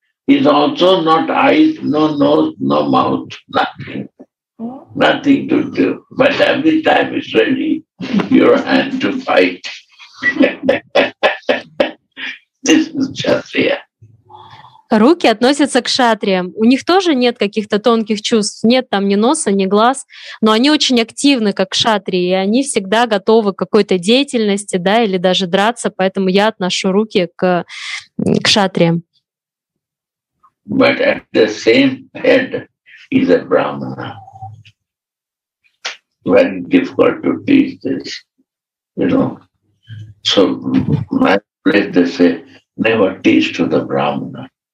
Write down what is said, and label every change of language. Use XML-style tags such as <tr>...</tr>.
<en>He's also not eyes, no nose, no mouth, nothing. Nothing to do. But every time it's ready, your hand to fight. This is kshatriya.</en> <ru>Руки относятся к кшатриям. У них тоже нет каких-то тонких чувств, нет там ни носа, ни глаз, но они очень активны, как кшатрии, и они всегда готовы к какой-то деятельности, да, или даже драться, поэтому я отношу руки к кшатриям.</ru> <en>But at the same head is a brahmana. Very difficult to teach this, you know. So my place they say, never teach to the brahmana.</en>